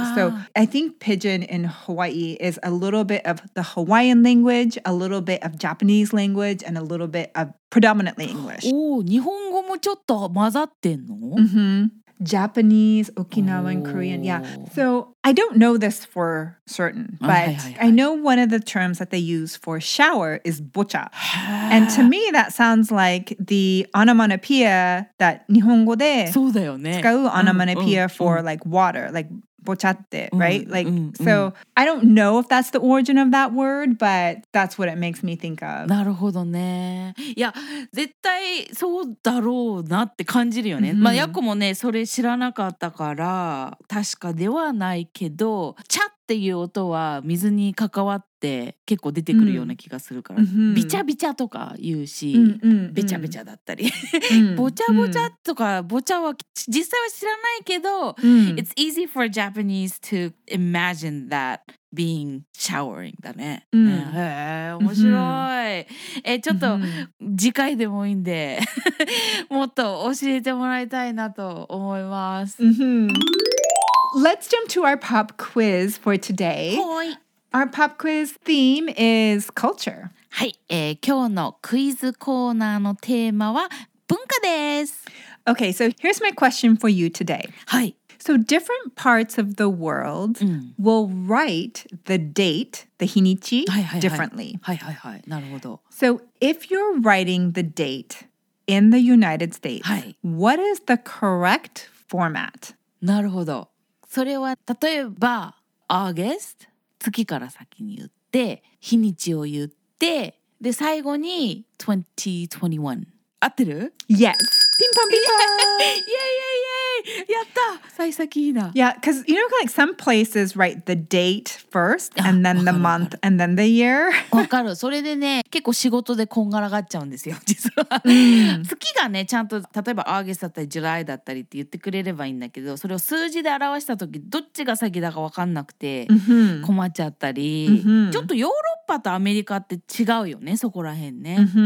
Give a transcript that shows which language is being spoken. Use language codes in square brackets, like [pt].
[en] So I think pigeon in Hawaii is a little bit of the Hawaiian language, a little bit of Japanese language, and a little bit of predominantly English. [ja] おー、日本語もちょっと混ざってんの？ [en] Japanese, Okinawan, Korean. Yeah. So I don't know this for certain, but I know one of the terms that they use for shower is bocha. And to me, that sounds like the onomatopoeia that [ja] 日本語で使う [en] onomatopoeia for like water, like bochatte, right? Like, so I don't know if that's the origin of that word, but that's what it makes me think of. [ja] なるほどね。いや、絶対そうだろうなって感じるよね。まあ、ヤコもね、それ知らなかったから、確かではないけど、チャっていう音は水に関わって結構出てくるような気がするから、ビチャビチャとか言うし、ベチャベチャだったり、ボチャボチャとか、ボチャは実際は知らないけど、 [en] It's easy for Japanese to imagine that being showering [ja] だね。面白い。ちょっと次回でもいいんで、もっと教えてもらいたいなと思います。 [en] Let's jump to our pop quiz for today. Hi. Our pop quiz theme is culture. [ja] はい、今日のクイズコーナーのテーマは文化です。 [en] Okay, so here's my question for you today. [ja] はい。 [en] So different parts of the world will write the date, the 日にち differently. [ja] はいはいはい。なるほど。 [en] So if you're writing the date in the United States, [ja] はい。 [en] What is the correct format? [ja] なるほど。それは例えば August 月から先に言って日にちを言ってで最後に2021合ってる [en] Yes [ja] ピンポンピンポン。イエイイエイイエイ。やった。幸先いいな。 [en] Yeah, because you know, like some places write the date first and then the month and then the year. [ja] わかる。それでね、結構仕事でこんがらがっちゃうんですよ、実は。月がね、ちゃんと例えばAugustだったり July だったりって言ってくれればいいんだけど、それを数字で表した時、どっちが先だかわかんなくて困っちゃったり、ちょっとヨーロッパとアメリカって違うよね、そこら辺ね。